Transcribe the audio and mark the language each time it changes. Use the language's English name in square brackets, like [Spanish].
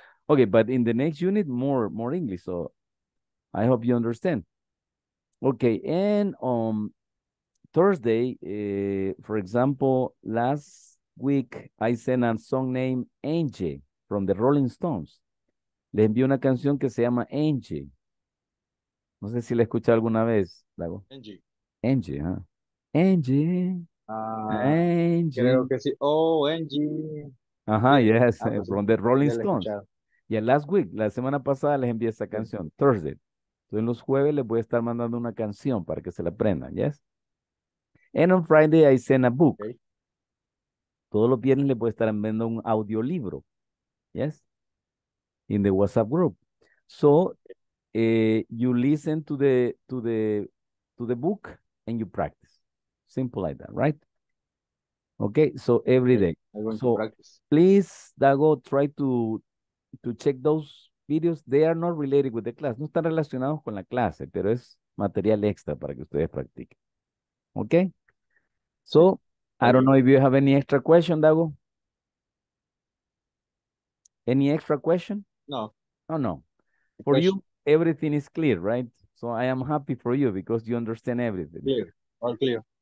[English] Okay, but in the next unit, more English. So I hope you understand. Okay, and Thursday, for example, last week, I sent a song named Angie from the Rolling Stones. [Spanish] Le envié una canción que se llama Angie. No sé si la escuché alguna vez, Lago. Angie. Angie, huh? Angie. Angie. Creo que sí. Oh, Angie. Ajá, yes, ah, no, [English] from the Rolling Stones. [Spanish] Y yeah, [English] last week, [Spanish] la semana pasada, les envié esa canción, mm-hmm. Thursday. Entonces, los jueves les voy a estar mandando una canción para que se la aprendan, yes? [English] And on Friday, I send a book. Okay. [Spanish] Todos los viernes les voy a estar enviando un audiolibro, yes? [English] In the WhatsApp group. So, you listen to the book and you practice. Simple like that, right? Okay, so every day. So please, Dago, try to check those videos. They are not related with the class. [Spanish] No están relacionados con la clase, pero es material extra para que ustedes practiquen. [English] Okay? So, I don't know if you have any extra question, Dago. Any extra question? No. For you, everything is clear, right? So I am happy for you because you understand everything. Clear. All clear.